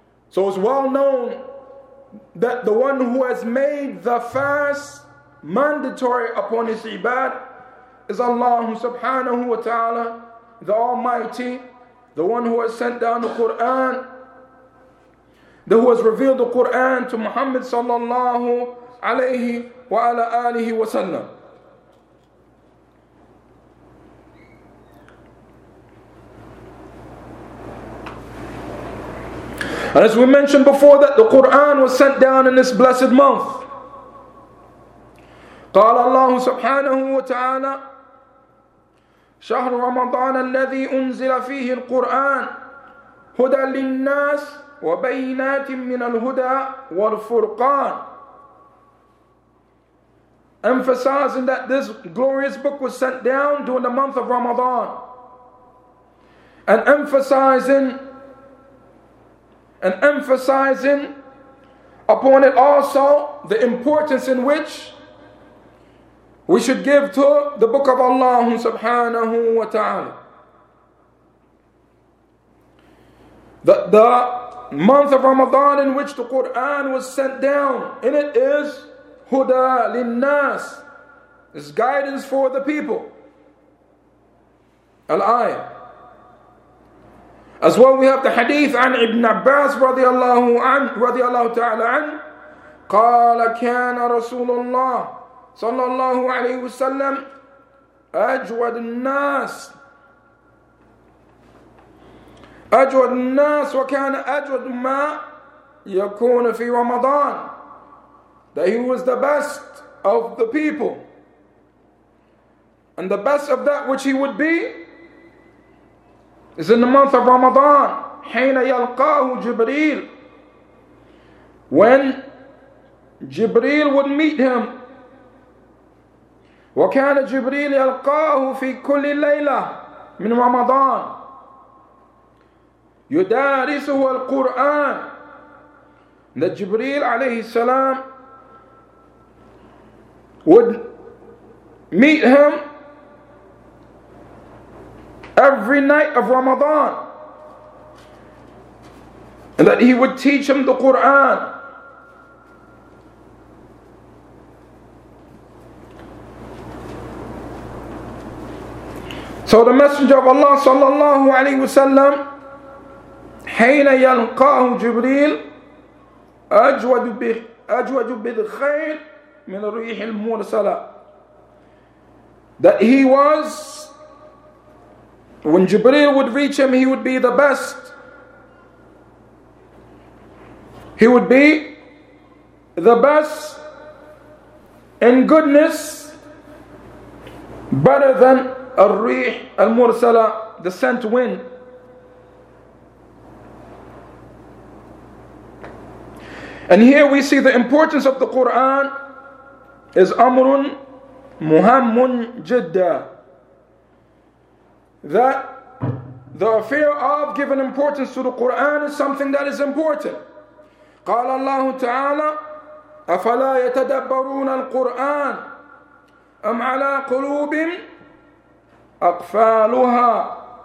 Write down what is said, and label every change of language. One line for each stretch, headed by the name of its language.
English: So it's well known that the one who has made the fast mandatory upon his ibad is Allah subhanahu wa ta'ala, the Almighty, the one who has sent down the Quran, the who has revealed the Quran to Muhammad sallallahu alayhi wa ala alihi wa sallam. And as we mentioned before, that the Quran was sent down in this blessed month.
Arabic: قال الله سبحانه وتعالى شهر رمضان الذي أنزل فيه القرآن هدى للناس وبينات من الهدى والفرقان.
English: Emphasizing that this glorious book was sent down during the month of Ramadan, and emphasizing upon it also the importance in which we should give to the book of Allah subhanahu wa ta'ala. The month of Ramadan in which the Quran was sent down, in it is
Arabic: huda linnas,
English: is guidance for the people. Al-ayah. As well, we have the hadith
Arabic: عن ابن عباس رضي الله عنه رضي الله تعالى عنه قال كان رسول الله صلى الله عليه وسلم أجود الناس أجود الناس وكان أجود ما يكون في رمضان.
English: That he was the best of the people, and the best of that which he would be is in the month of Ramadan,
Arabic: حين يلقاه جبريل,
English: when Jibreel would meet him.
Arabic: وكان جبريل يلقاه في كل ليلة من رمضان يدارسه القرآن.
English: That Jibreel عليه السلام would meet him every night of Ramadan, and that he would teach him the Quran. So the Messenger of Allah
Arabic: sallallahu alayhi wa sallam, حين يلقاه جبريل أجود بالخير من الريح المرسلة.
English: That he was, when Jibreel would reach him, he would be the best. He would be the best in goodness, better than
Arabic: الريح المرسلة,
English: the sent wind. And here we see the importance of the Quran is
Arabic: أمرٌ مهمٌ جدًّا.
English: That the affair of giving importance to the Quran is something that is important.
Arabic: قال الله تعالى أفلا يتدبرون القرآن أم على قلوب أقفالها.